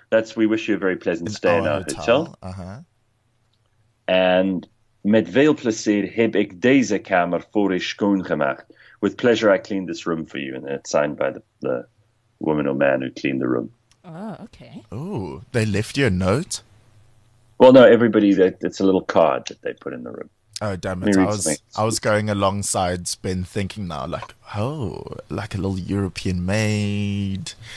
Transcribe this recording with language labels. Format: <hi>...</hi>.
<en>That's we wish you a very pleasant stay in our hotel.</en> <nl>And met veel plezier heb ik deze kamer voor u schoongemaakt.</nl> <en>With pleasure, I cleaned this room for you. And it's signed by the woman or man who cleaned the room. Oh, okay. Oh, they left you a note? Well, no, everybody, it's a little card that they put in the room. Oh, damn it. I was going alongside Ben thinking now, like, oh, like a little European maid.</en>